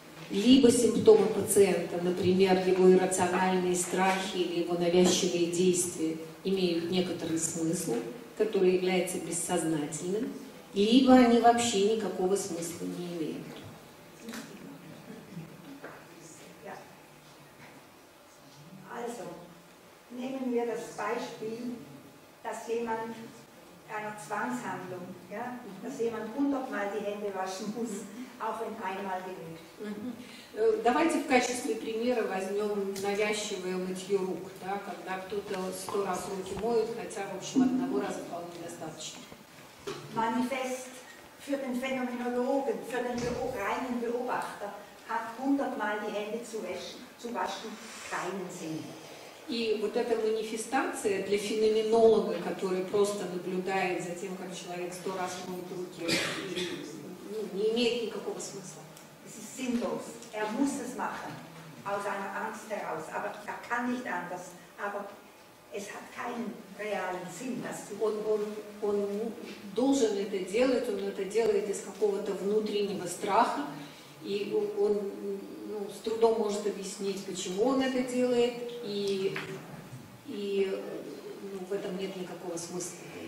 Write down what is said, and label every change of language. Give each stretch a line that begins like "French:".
Russian: Либо симптомы пациента, например, его иррациональные страхи или его навязчивые действия, имеют некоторый смысл, который является бессознательным, либо они вообще никакого смысла не имеют.
German: Also, nehmen wir das Beispiel, dass jemand einer Zwangshandlung, ja, dass jemand 100-mal die Hände waschen muss, auch wenn einmal genügt.
Russian: Давайте в качестве примера возьмем навязчивое мытье рук, да, когда кто-то 100 раз руки моет, хотя, в общем, одного раза вполне достаточно.
German: Manifest für den Phänomenologen, für den reinen Beobachter, hat 100-mal die Hände zu waschen keinen Sinn.
Russian: И вот эта манифестация для феноменолога, который просто наблюдает за тем, как человек 100 раз моет руки, не имеет никакого смысла.
German: Es ist sinnlos. Muss es machen, aus einer Angst heraus. Aber kann nicht anders. Aber es hat keinen realen Sinn, das zu tun.
Russian: Он должен это делать, он это делает из какого-то внутреннего страха, и он ну, с трудом может объяснить, почему он это делает, и ну, в этом нет никакого смысла.